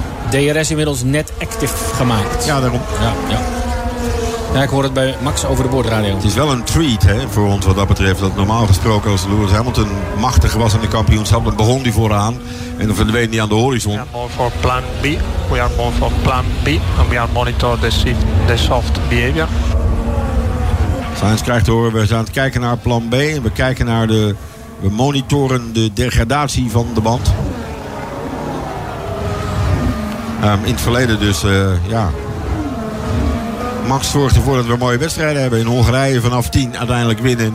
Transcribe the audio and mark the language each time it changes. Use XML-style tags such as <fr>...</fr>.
<nl>DRS inmiddels net active gemaakt. Ja, daarom. Ja. Ja, ik hoor het bij Max over de boordradio. Het is wel een treat, hè, voor ons wat dat betreft. Dat normaal gesproken, als Lewis Hamilton machtig was in de kampioenschap, dan begon hij vooraan. En dan verdween hij aan de horizon.</nl> <en>We are more for plan B. We are more for plan B. And we are monitor the soft behavior.</en> <nl>Sainz krijgt te horen, we zijn aan het kijken naar plan B. En we kijken naar de, we monitoren de degradatie van de band. In het verleden dus, ja. Max zorgt ervoor dat we mooie wedstrijden hebben. In Hongarije vanaf 10 uiteindelijk winnen.</nl>